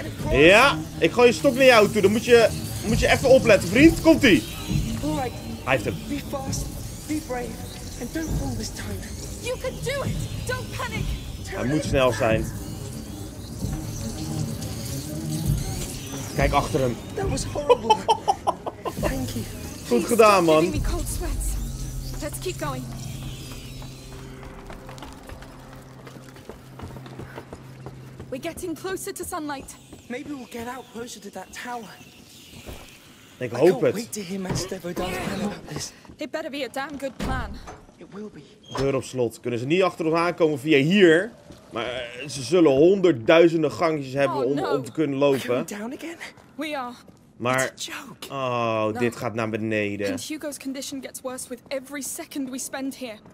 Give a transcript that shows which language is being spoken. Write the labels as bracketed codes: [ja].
[nl] Ja, ik gooi je stok naar jou toe. Dan moet je even opletten, vriend. Komt ie. Hij heeft hem. [en] Be fast, be brave, and don't fall this time. You can do it. Don't panic. [nl] Hij moet snel zijn. Kijk achter hem. [en] That was horrible. Thank you. [nl] Goed gedaan, man. [en] Let's keep going. We're getting closer to sunlight. Maybe we'll get out closer to that tower. [nl] Ik hoop het. [en] Wait to hear Master Vodan's plan about this. It better be a damn good plan. It will be. [nl] Deur op slot. Kunnen ze niet achter ons aankomen via hier? Maar ze zullen honderdduizenden gangjes hebben om te kunnen lopen. [en] Are we down again? We are. [nl] Maar [en] it's a joke. Oh, no. [nl] Dit gaat naar beneden. [en] And Hugo's condition gets worse with every second we spend here.